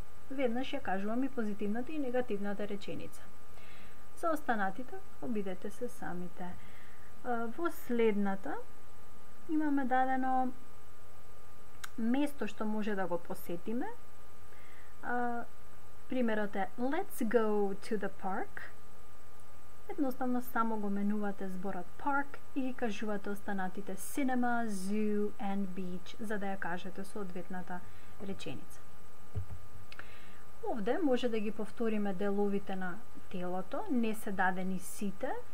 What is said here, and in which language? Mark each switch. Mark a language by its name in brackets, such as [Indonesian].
[Macedonian] Веднаш ја кажувам и позитивната и негативната реченица. За останатите, обидете се самите. Во следната имаме дадено место што може да го посетиме. Примерот е [English] Let's go to the park. [Macedonian] Едноставно само го менувате зборот park и ги кажувате останатите [English] cinema, zoo and beach, [Macedonian] за да ја кажете соодветната реченица. Овде може да ги повториме деловите на телото, не се дадени сите.